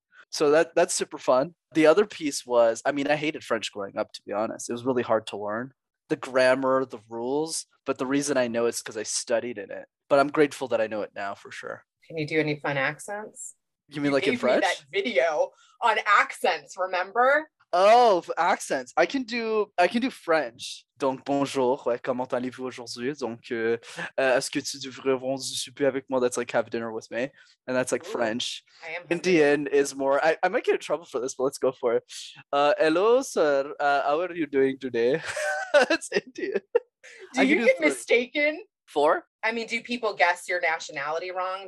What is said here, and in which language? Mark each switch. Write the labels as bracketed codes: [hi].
[en] So that's super fun. The other piece was, I mean, I hated French growing up, to be honest. It was really hard to learn. The grammar, the rules, but the reason I know it's because I studied in it. But I'm grateful that I know it now for sure. Can you do any fun accents? You mean like in French? You gave me that video on accents, remember? Oh, accents. I can do French. [fr] Donc bonjour, ouais, comment allez-vous aujourd'hui? Donc est-ce que tu devrais vendre souper avec moi? [en] That's like have dinner with me. And that's like, ooh, French. Indian is more. I might get in trouble for this, but let's go for it. Hello sir, how are you doing today? That's Indian. Do you get mistaken? For? I mean, do people guess your nationality wrong?